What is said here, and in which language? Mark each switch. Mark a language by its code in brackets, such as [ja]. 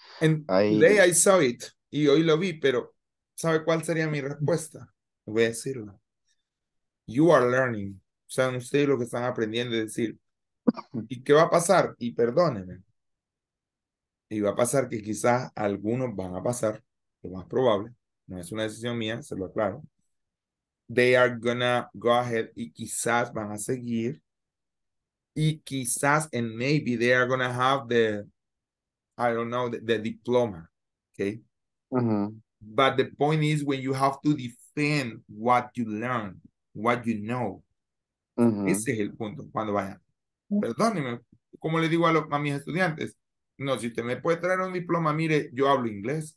[en] today I saw it [es] y hoy lo vi, pero ¿sabe cuál sería mi respuesta? Voy a decirlo. [en] You are learning. [es] O sea, ustedes lo que están aprendiendo es decir, ¿y qué va a pasar? Y perdónenme. Y va a pasar que quizás algunos van a pasar, lo más probable. No es una decisión mía, se lo aclaro. [en] They are gonna go ahead [es] y quizás van a seguir. Y quizás, [en] and maybe they are gonna have the, I don't know, the diploma. Okay? Mm-hmm. But the point is when you have to defend what you learn, what you know. Mm-hmm. [es] Ese es el punto cuando vayan. Perdóneme, como le digo a mis estudiantes, no, si usted me puede traer un diploma, mire, yo hablo inglés.